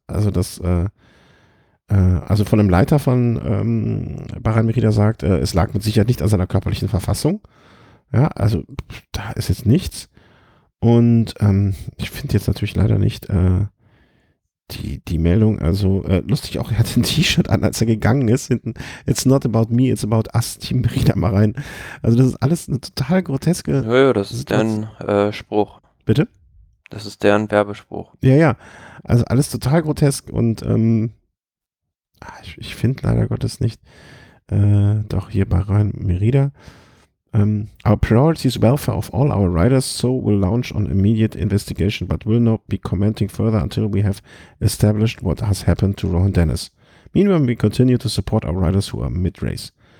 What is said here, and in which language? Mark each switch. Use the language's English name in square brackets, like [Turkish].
[German] Also das also von einem Leiter von Bahrain Merida sagt, es lag mit Sicherheit nicht an seiner körperlichen Verfassung. Ja, also da ist jetzt nichts. Und ich finde jetzt natürlich leider nicht die Meldung. Also lustig auch, er hat ein T-Shirt an, als er gegangen ist. [English] Hinten, it's not about me, it's about us, Team Merida Bahrain. [German] Also das ist alles eine total groteske... Ja, ja, das ist deren Spruch. Bitte? Das ist deren Werbespruch. Ja, ja. Also alles total grotesk und ich finde leider Gottes nicht. Doch hier Bahrain Merida. [English] Our priority is welfare of all our riders, so we'll launch an immediate investigation, but will not be commenting further until we have established what has happened to Rohan Dennis. Meanwhile, we continue to support our riders who are mid-race.